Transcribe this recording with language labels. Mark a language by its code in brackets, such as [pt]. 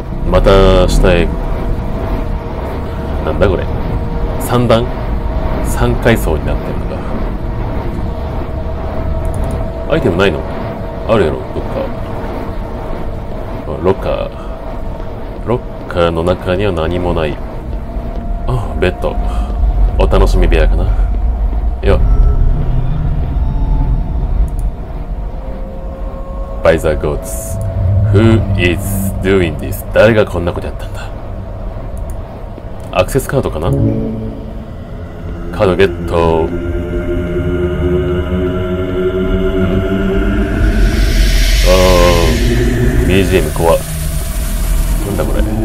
[ja] また下へ。なんだこれ、三段、三階層になってるのか。アイテムないの？あるやろ、どっか。ロッカーの中には何もない。あ、ベッド、お楽しみ部屋かな。 [en] よ、バイザーゴーツ、Who is doing this? [ja] 誰がこんなことやったんだ。アクセスカードかな、カードゲット。あー、BGM 怖、なんだこれ。